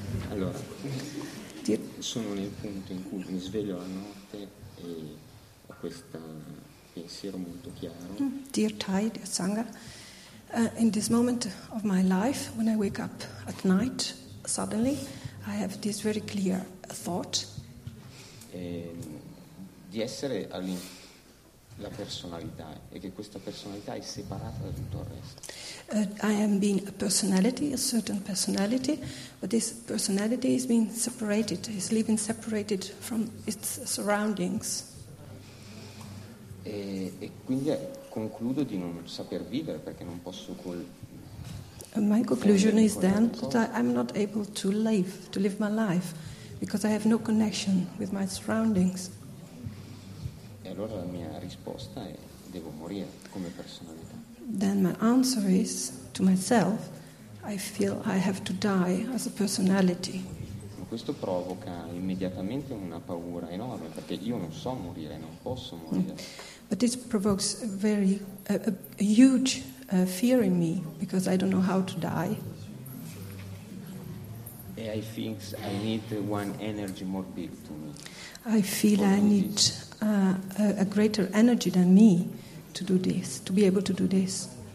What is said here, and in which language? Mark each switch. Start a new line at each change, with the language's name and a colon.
Italian: Allora, sono nel punto in cui mi sveglio la notte e ho questo pensiero molto chiaro.
English: Dear Tai, dear Sangha, in this moment of my life, when I wake up at night, suddenly, I have this very clear thought.
Italian: Di essere la personalità e che questa personalità è separata da tutto il resto.
English: I am being a personality, a certain personality, but this personality is being separated, is living separated from its surroundings.
Italian: E quindi concludo di non saper vivere perché non posso col.
English: My conclusion is then that I'm not able to live my life because I have no connection with my surroundings.
Italian: E allora la mia risposta è devo morire come personalità.
English: Then my answer is to myself, I feel I have to die as a personality.
Italian: Ma questo provoca immediatamente una paura enorme perché io non so morire, non posso morire.
English: But this provokes a huge fear in me because I don't know how to die. And I think I need one energy more big to me. I feel I need a greater energy than me to do this, to be able to do this.